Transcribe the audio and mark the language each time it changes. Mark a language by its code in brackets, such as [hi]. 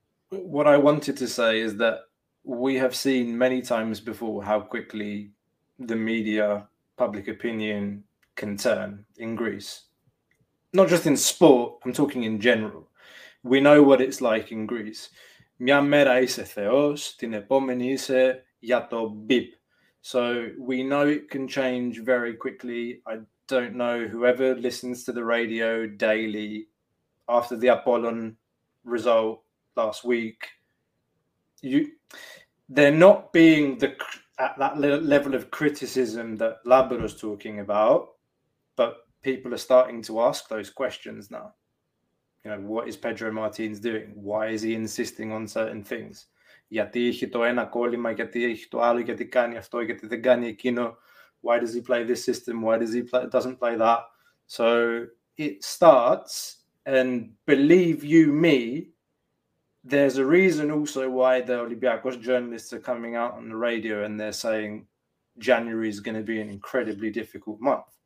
[en] What I wanted to say is that we have seen many times before how quickly the media, public opinion can turn in Greece. Not just in sport, I'm talking in general. We know what it's like in Greece. [el] Μια μέρα είσαι Θεός, την επόμενη είσαι για το μπιπ. [en] So we know it can change very quickly. I don't know whoever listens to the radio daily after the Apollon result last week. They're not being at that level of criticism that Labrador's talking about, but people are starting to ask those questions now. You know, what is Pedro Martins doing? Why is he insisting on certain things? [el] Γιατί έχει το ένα κόλλημα, γιατί έχει το άλλο, γιατί κάνει αυτό, γιατί δεν κάνει εκείνο. [en] Why does he play this system? Why does he play, doesn't play that? So it starts, and believe you me, there's a reason also why the Olympiacos journalists are coming out on the radio and they're saying January is going to be an incredibly difficult month.